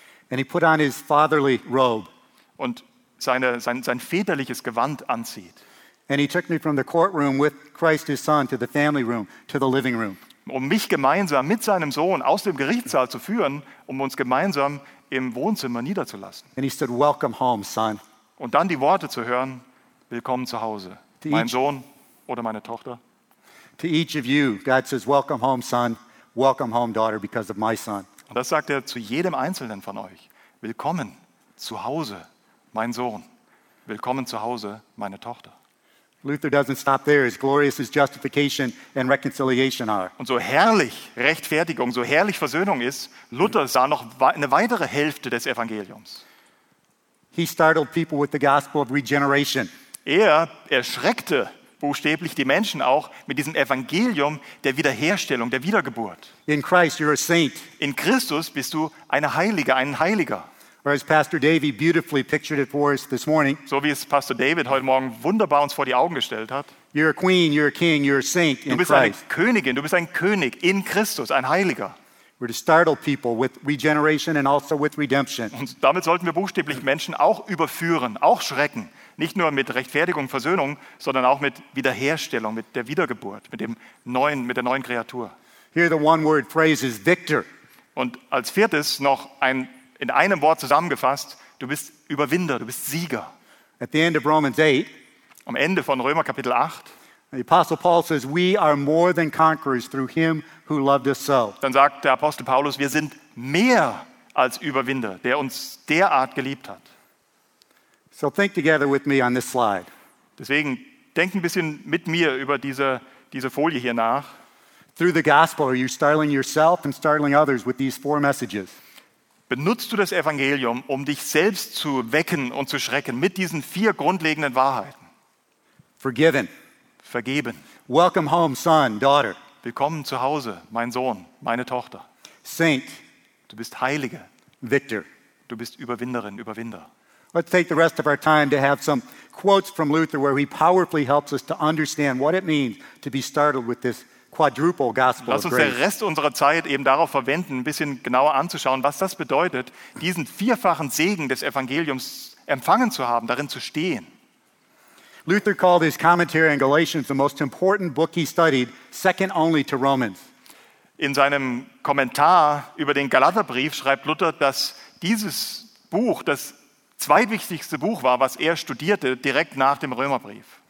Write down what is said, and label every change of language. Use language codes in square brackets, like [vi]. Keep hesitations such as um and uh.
[en] and he put on his fatherly robe [de] und seine sein sein väterliches Gewand anzieht [en] and he took me from the courtroom with Christ his son to the family room to the living room [de] um mich gemeinsam mit seinem Sohn aus dem Gerichtssaal zu führen, um uns gemeinsam im Wohnzimmer niederzulassen. Und dann die Worte zu hören, willkommen zu Hause, mein Sohn oder meine Tochter. [en] To each of you, God says, welcome home, son, welcome home, daughter, because of my son. [de] Und das sagt er zu jedem Einzelnen von euch, willkommen zu Hause, mein Sohn, willkommen zu Hause, meine Tochter. [en] Luther doesn't stop there. As glorious as justification and reconciliation are. [de] Und so herrlich Rechtfertigung, so herrlich Versöhnung ist, Luther sah noch eine weitere Hälfte des Evangeliums. [en] He startled people with the gospel of regeneration. [de] Er erschreckte buchstäblich die Menschen auch mit diesem Evangelium der Wiederherstellung, der Wiedergeburt. [en] In, Christ you're a saint. [de] In Christus bist du eine Heilige, ein Heiliger. [en] Pastor beautifully pictured it for us this morning. [de] So wie es Pastor David heute morgen wunderbar uns vor die Augen gestellt hat. [en] You're a queen, you're a king, you're a saint du in Christ. [de] Du bist eine Königin, du bist ein König in Christus, ein Heiliger. [en] We're to startle people with regeneration and also with redemption. [de] Und damit sollten wir buchstäblich Menschen auch überführen, auch schrecken, nicht nur mit Rechtfertigung, Versöhnung, sondern auch mit Wiederherstellung, mit der Wiedergeburt, mit dem neuen, mit der neuen Kreatur. [en] Here the one word phrase is victor. [de] Und als viertes noch ein in einem Wort zusammengefasst, du bist Überwinder, du bist Sieger. [en] At the end of Romans 8, [de] am Ende von Römer Kapitel 8, [en] the Apostle Paul says, we are more than conquerors through him who loved us so. [de] Dann sagt der Apostel Paulus, wir sind mehr als Überwinder, der uns derart geliebt hat. [en] So think together with me on this slide. [de] Deswegen denk ein bisschen mit mir über diese diese Folie hier nach. [en] Through the gospel are you startling yourself and startling others with these four messages? [de] Benutzt du das Evangelium, um dich selbst zu wecken und zu schrecken mit diesen vier grundlegenden Wahrheiten? [en] Forgiven. [de] Vergeben. [en] Welcome home, son, daughter. [de] Willkommen zu Hause, mein Sohn, meine Tochter. [en] Saint. [de] Du bist Heilige. [en] Victor. [de] Du bist Überwinderin, Überwinder. [en] Let's take the rest of our time to have some quotes from Luther, where he powerfully helps us to understand what it means to be startled with this [de] Lass uns den Rest unserer Zeit eben darauf verwenden, ein bisschen genauer anzuschauen, was das bedeutet, diesen vierfachen Segen des Evangeliums empfangen zu haben, darin zu stehen. [en] Luther called his commentary on Galatians the most important book he studied, second only to Romans. [de] In seinem Kommentar über den Galaterbrief schreibt Luther, dass dieses Buch das zweitwichtigste Buch war, was er studierte, direkt nach dem Römerbrief.